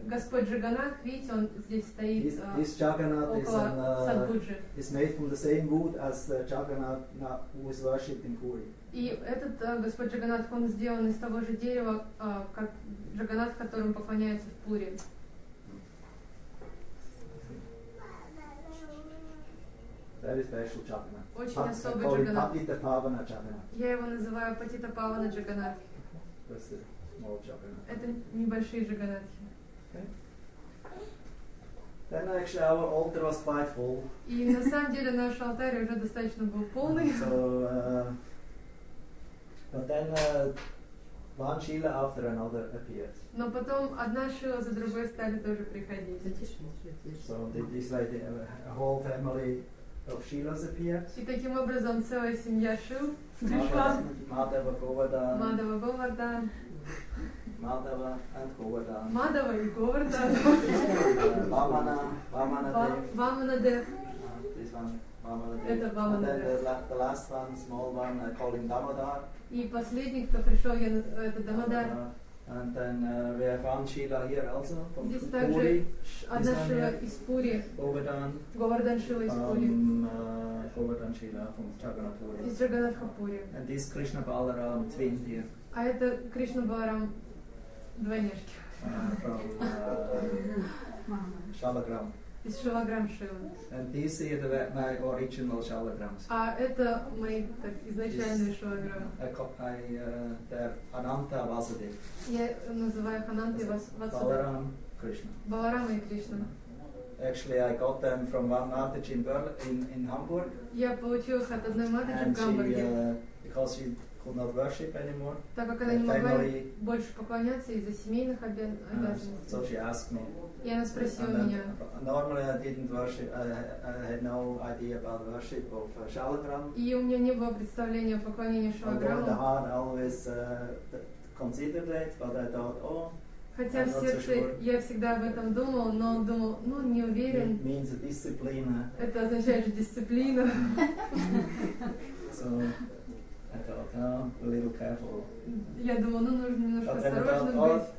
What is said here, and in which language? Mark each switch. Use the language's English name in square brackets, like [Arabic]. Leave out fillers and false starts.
[Russian] Господь Джаганнат, видите, он здесь стоит. [English] This Jagannath is on Sadbuja. It's made from the same wood as Jagannath who is worshipped in Puri. [Russian] И этот Господь Джаганнат, он сделан из того же дерева, как Джаганнат, которым поклоняются в Пури. [English] Very special Jagannath. [Russian] Очень особый Джаганнат. Я его называю Патита Павана Джаганнат. Это небольшие Джаганнатхи. [English] Then actually our altar was quite full. [Russian] И на самом деле наш алтарь уже достаточно был полный. [English] So, but then one Шила after another appeared. [Russian] Но потом одна Шила за другой стали тоже приходить. [English] So this way the whole family. Of Shilas appeared. [Russian] И таким образом целая семья Шил пришла. Мадава Говардан. Мадава Говардан. [English] Мадава and Говардан. [Russian] Мадава и Говардан. Вамана, Вамана Дев. Вамана Дев. [English] This one, Вамана Дев. [Russian] Это Вамана Дев. [English] And then the last one, small one, calling Дамодар. [Russian] И последний, кто пришел, это Дамодар. [English] And then we have one Shila here also from Puri. [Russian] Здесь также одна Шила из Пури. Говардан. Говардан Шила из Пури. [English] Говардан Шила from Джаганнатхапури. [Russian] Из Джаганнатхапури. [English] And this Krishna Balaram twin here. [Russian] А это Krishna Balaram двойняшки. [English] From Шалаграм. [Russian] Из Шалаграм Шила. [English] And these are my original Шалаграмс. [Russian] А это мои так, изначальные Шалаграмы. Ананта Васудев. Я называю их Ананта и Васудев. Баларам Кришна. Баларама и Кришна. [English] Actually, I got them from one Матадж in Hamburg. [Russian] Я получил их от одной Матадж в Гамбурге. [English] Because she could not worship anymore. [Russian] Так как она не могла больше поклоняться из-за семейных обязанностей. [English] So she asked me. [Russian] И она спросила меня. [English] Normally I didn't worship, I had no idea about worship of Shalagram. [Russian] И у меня не было представления о поклонении Шалаграму. [English] Although the heart always considered it, but I thought, oh, [Russian] хотя в сердце я всегда об этом думал, но он думал, ну, не уверен. [English] It means discipline. [Russian] Это означает же дисциплина. [English] So I thought, a little careful. [Russian] Я думал, ну, нужно немножко осторожно быть.